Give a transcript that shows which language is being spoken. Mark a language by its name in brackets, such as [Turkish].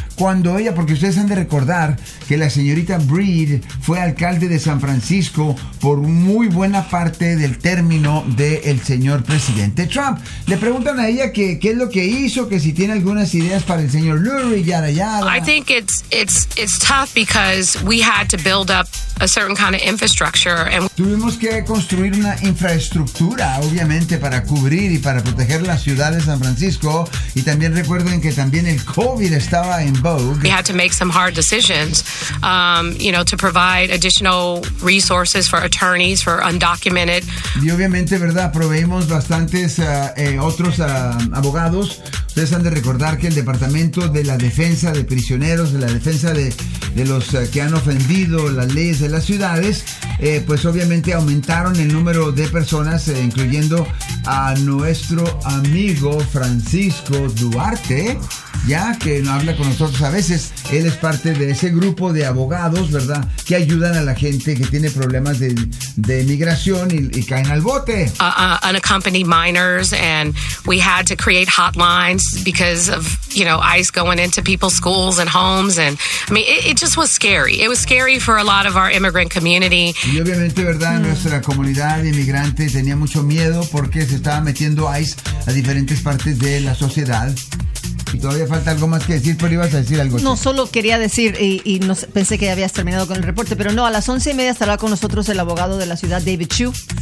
[Spanish] cuando ella, porque ustedes han de recordar que la señorita Breed fue alcalde de San Francisco por muy buena parte del término del señor presidente Trump. Le preguntan a ella que qué es lo que hizo, que si tiene algunas ideas para el señor Lurie, yada yada. [English] I think it's tough because we had to build up a certain kind of infrastructure and [Spanish] tuvimos que construir una infraestructura, obviamente, para cubrir y para proteger la ciudad de San Francisco. Y también recuerden que también el COVID estaba en vogue. [English] We had to make some hard decisions, to provide additional resources for attorneys for undocumented. [Spanish] Y obviamente, ¿verdad? Proveímos bastantes otros abogados. Ustedes han de recordar que el Departamento de la Defensa de Prisioneros, de la Defensa de los que han ofendido las leyes de las ciudades, pues obviamente aumentaron el número de personas, incluyendo a nuestro amigo Francisco Duarte, ya que no habla con nosotros a veces. Él es parte de ese grupo de abogados, ¿verdad?, que ayudan a la gente que tiene problemas de migración y caen al bote. [English] Unaccompanied minors, and we had to create hotlines because of, you know, ICE going into people's schools and homes, and I mean, it just was scary. It was scary for a lot of our immigrant community. [Spanish] Y obviamente, ¿verdad?, nuestra comunidad inmigrante tenía mucho miedo porque se estaba metiendo ICE a diferentes partes de la sociedad. Y todavía falta algo más que decir, pero ibas a decir algo. No, solo quería decir, y no sé, pensé que ya habías terminado con el reporte, pero no, a las 11:30 estará con nosotros el abogado de la ciudad, David Chu.